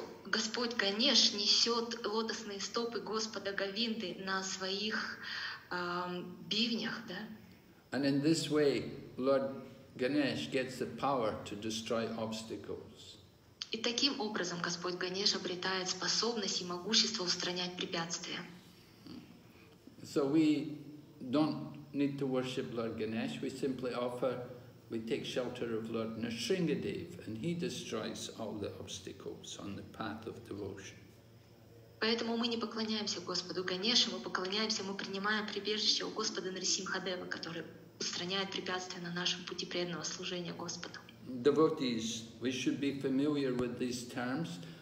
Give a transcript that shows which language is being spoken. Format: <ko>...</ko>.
<ru>Господь Ганеш несет лотосные стопы Господа Говинды на своих бивнях, да?</ru> <en>And in this way, Lord Ganesh gets the power to destroy obstacles.</en> <ru>И таким образом Господь Ганеш обретает способность и могущество устранять препятствия.</ru> <en>So we don't need to worship Lord Ganesh. We simply offer, we take shelter of Lord Nrisimhadev, and he destroys all the obstacles on the path of devotion.</en> <ru>Поэтому мы не поклоняемся Господу Ганеше, мы поклоняемся, мы принимаем прибежище у Господа Нрисимхадева, который устраняет препятствия на нашем пути преданного служения Господу.</ru> <en>Devotees, we should be familiar with these terms.</en>